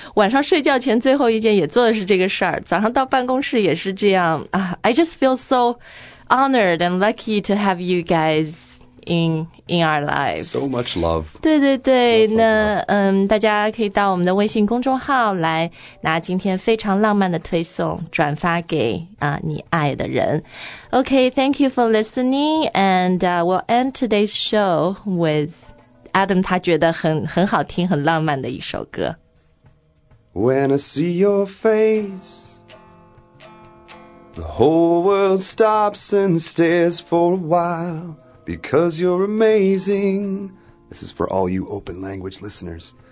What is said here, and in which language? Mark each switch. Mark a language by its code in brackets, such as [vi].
[zh] 晚上睡觉前最后一件也做的是这个事儿，早上到办公室也是这样啊。 [en] I just feel so honored and lucky to have you guys in our lives. So much love. [zh] 对对对，那大家可以到我们的微信公众号来拿今天非常浪漫的推送，转发给你爱的人。 [en] Okay, thank you for listening, and we'll end today's show with Adam. [zh] 他觉得很好听、很浪漫的一首歌。 [en] When I see your face. The whole world stops and stares for a while because you're amazing. This is for all you open language listeners.